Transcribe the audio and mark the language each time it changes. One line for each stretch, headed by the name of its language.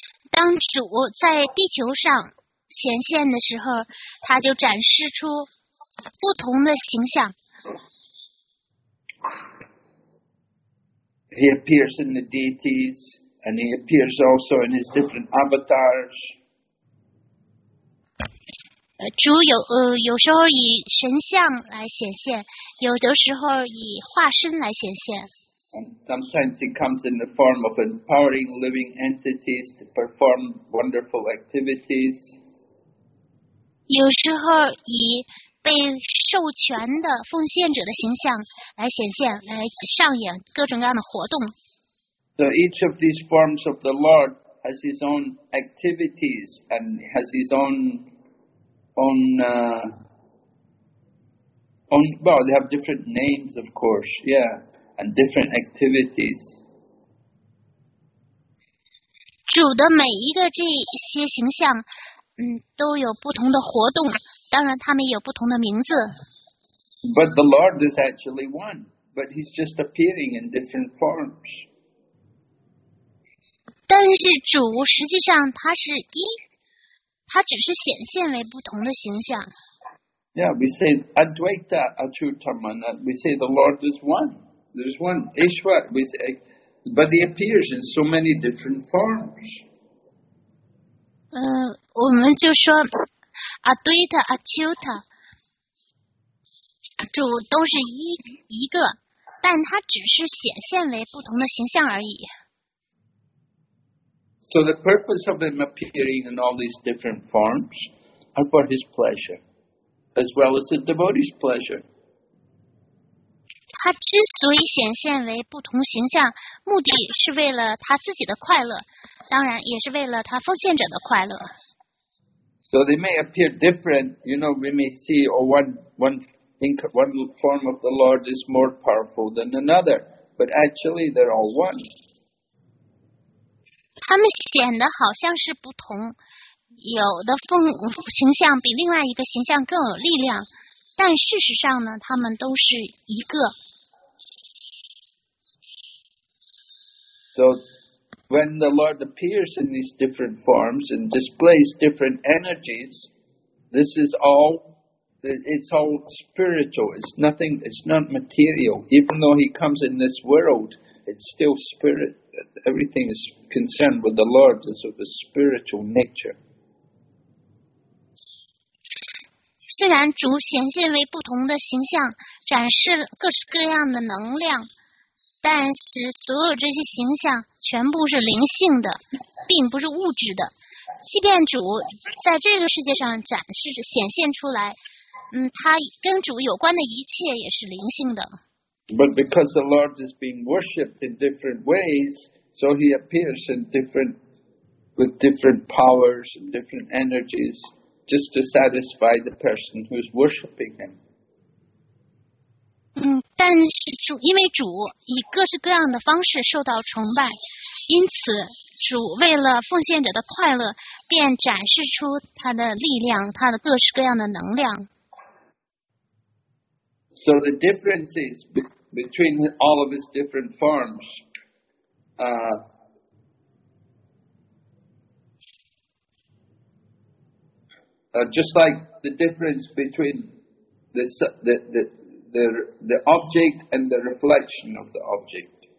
Chinese: 当主在地球上显现的时候，他就展示出不同的形象。
English: He appears in the deities, and he appears also in his different avatars.
Chinese: 主有有时候以神像来显现，有的时候以化身来显现。
English: Sometimes he comes in the form of empowering living entities to perform wonderful activities.
Chinese: 有时候以被授权的奉献者的形象来显现，来上演各种各样的活动。
English: So each of these forms of the Lord has his own activities and has his own, they have different names, of course, yeah, and different activities.
Chinese: 主的每一个这些形象，都有不同的活动，当然他们有不同的名字。
English: But the Lord is actually one, but He's just appearing in different forms.
Chinese: 但是主实际上他是一。他只是显现为不同的形象。
English: Yeah, we say Advaita Achyutamana. We say the Lord is one. There's one Ishwar. We say, but He appears in so many different forms.
Chinese: 我们就说 Advaita Achyuta， 主都是一个，但他只是显现为不同的形象而已。
English: So the purpose of him appearing in all these different forms are for his pleasure, as well as the devotee's pleasure.
Chinese: 他之所以显现为不同形象，目的是为了他自己的快乐，当然也是为了他奉献者的快乐。
English: So they may appear different. You know, we may see, one form of the Lord is more powerful than another, but actually they're all one.
Chinese: 他们显得好像是不同，有的形象比另外一个形象更有力量，但事实上呢，他们都是一个。
English: So, when the Lord appears in these different forms and displays different energies, this is all, it's all spiritual, it's nothing, it's not material. Even though He comes in this world, it's still spirit. Everything is concerned with the Lord is of a spiritual nature.
Chinese: 虽然主显现为不同的形象，展示各式各样的能量，但是所有这些形象全部是灵性的，并不是物质的。即便主在这个世界上展示着显现出来，他跟主有关的一切也是灵性的。
English: But because the Lord is being worshipped in different ways, so He appears in different, with different powers and different energies, just to satisfy the person who is worshipping Him.
Chinese: 但是主因为主以各式各样的方式受到崇拜，因此主为了奉献者的快乐，便展示出他的力量，他的各式各样的能量。
English: So the difference is between all of his different forms, just like the difference between the object and the reflection of the object.